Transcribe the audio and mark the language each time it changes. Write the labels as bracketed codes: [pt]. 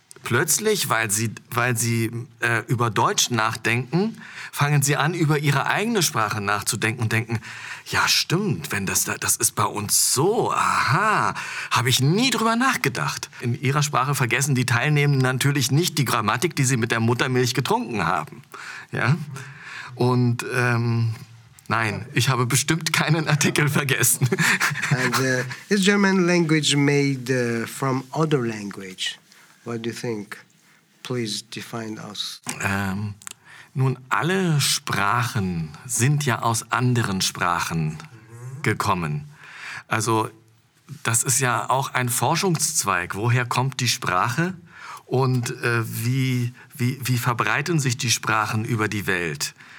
[de] Plötzlich, weil sie über Deutsch nachdenken, fangen sie an, über ihre eigene Sprache nachzudenken und denken, ja stimmt, wenn das ist bei uns so, aha, habe ich nie drüber nachgedacht. In ihrer Sprache vergessen die Teilnehmenden natürlich nicht die Grammatik, die sie mit der Muttermilch getrunken haben. Ja? Und nein, ich habe bestimmt keinen Artikel vergessen. [en] And, is German language made from other language? What do you think? Please define us. [de] Nun, alle Sprachen sind ja aus anderen Sprachen gekommen. Also, das ist ja auch ein Forschungszweig. Woher kommt die Sprache? Und wie verbreiten sich die Sprachen über die Welt?